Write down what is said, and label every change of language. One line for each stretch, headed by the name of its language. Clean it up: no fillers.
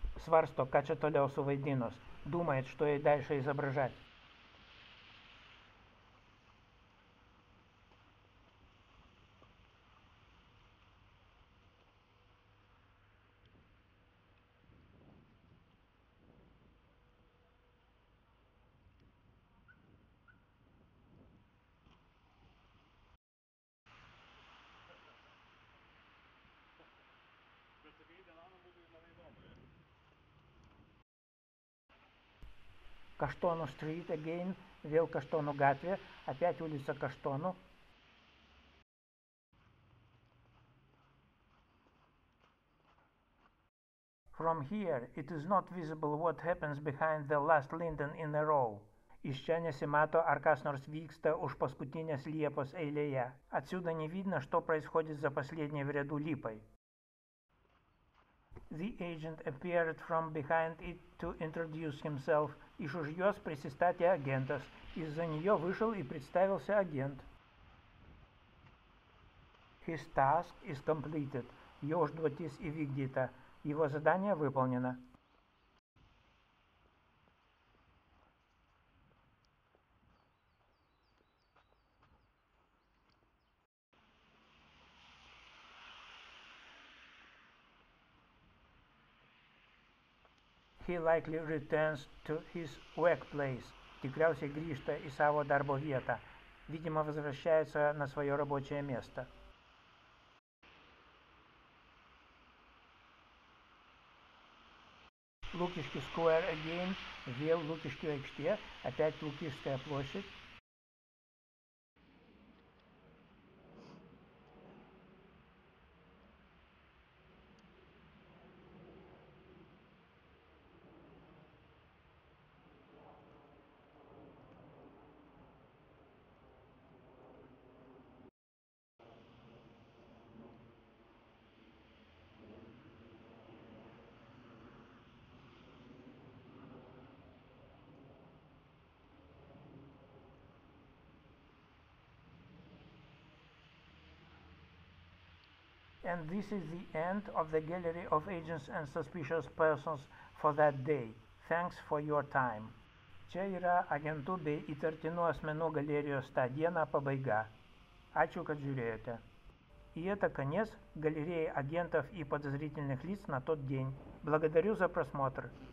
Lithuanian: Сварсто, ką čia toliau suvaidinus.
Russian: Думает, что ей дальше изображать.
English: Каштону стрит again,
Lithuanian: вел Каштону гатве,
Russian: опять улица Каштону.
English: From here it is not visible what happens behind the last linden in a row.
Lithuanian: Iš čia nesimato, ar kas nors vyksta už paskutinės liepos eilėje.
Russian: Отсюда не видно, что происходит за последней в ряду липой.
English: The agent appeared from behind it to introduce himself.
Lithuanian: Iš už jos prisistatė agentas.
Russian: Из-за нее вышел и представился агент.
English: His task is completed.
Lithuanian: Jo užduotis įvykdyta.
Russian: Его задание выполнено.
English: He likely returns to his workplace.
Lithuanian: Tikriausiai grįžta į savo darbo vietą.
Russian: Видимо, возвращается на свое рабочее место.
English: Lukiškių Square again.
Lithuanian: Vėl Lukiškių aikštė.
Russian: Опять Лукишская площадь.
English: And this is the end of the gallery of agents and suspicious persons for that day. Thanks for your time.
Lithuanian: Čia yra agentų bei įtartinų asmenų galerijos tą dieną pabaiga. Ačiū, kad žiūrėjote.
Russian: И это конец галереи агентов и подозрительных лиц на тот день. Благодарю за просмотр.